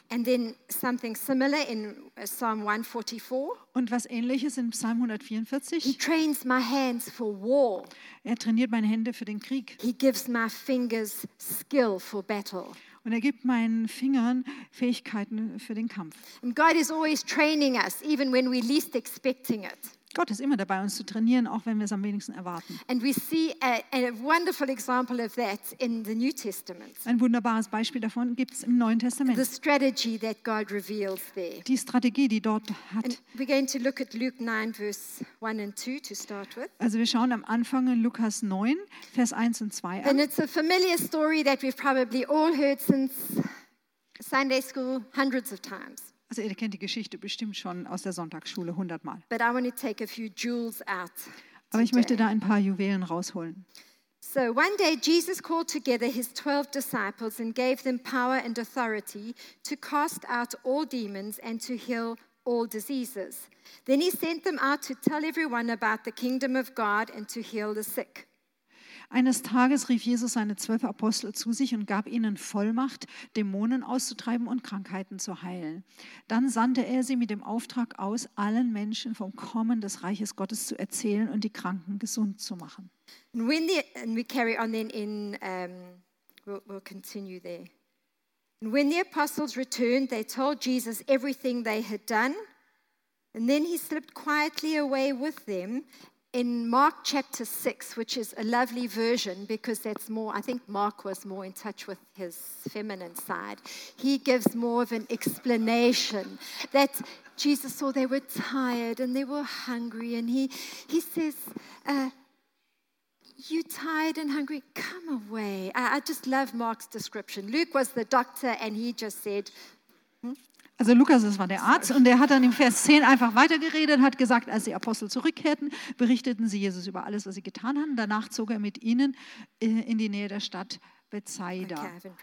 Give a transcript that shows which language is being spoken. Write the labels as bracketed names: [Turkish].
[English] And then something similar in Psalm 144. [German] Und was Ähnliches in Psalm 144. [English] He trains my hands for war. [German] Er trainiert meine Hände für den Krieg. [English] He gives my fingers skill for battle. [German] Und er gibt meinen Fingern Fähigkeiten für den Kampf. [English] And God is always training us, even when we're least expecting it. [German] Gott ist immer dabei, uns zu trainieren, auch wenn wir es am wenigsten erwarten. [English] And we see a wonderful example of that in the New Testament. [German] Ein wunderbares Beispiel davon gibt es im Neuen Testament. [English] The strategy that God reveals there. [German] Die Strategie, die dort hat. [English] And we're going to look at Luke 9, verse 1 and 2 to start with. [German] Also wir schauen am Anfang in Lukas 9, Vers 1 und 2 an. [English] And it's a familiar story that we've probably all heard since Sunday school hundreds of times. [German] Also ihr kennt die Geschichte bestimmt schon aus der Sonntagsschule 100 Mal. [English] But I want to take a few jewels out today. [German] Aber ich möchte da ein paar Juwelen rausholen. [English] So one day Jesus called together his 12 disciples and gave them power and authority to cast out all demons and to heal all diseases. Then he sent them out to tell everyone about the kingdom of God and to heal the sick. [German] Eines Tages rief Jesus seine 12 Apostel zu sich und gab ihnen Vollmacht, Dämonen auszutreiben und Krankheiten zu heilen. Dann sandte er sie mit dem Auftrag aus, allen Menschen vom Kommen des Reiches Gottes zu erzählen und die Kranken gesund zu machen. [English] And we carry on then in, we'll continue there. And when the apostles returned, they told Jesus everything they had done. And then he slipped quietly away with them. In Mark chapter 6, which is a lovely version because that's more, I think Mark was more in touch with his feminine side. He gives more of an explanation that Jesus saw they were tired and they were hungry. And he says, you tired and hungry, come away. I just love Mark's description. Luke was the doctor and he just said, [German] Also Lukas, das war der Arzt und der hat dann im Vers 10 einfach weitergeredet, hat gesagt, als die Apostel zurückkehrten, berichteten sie Jesus über alles, was sie getan hatten. Danach zog er mit ihnen in die Nähe der Stadt Bethsaida.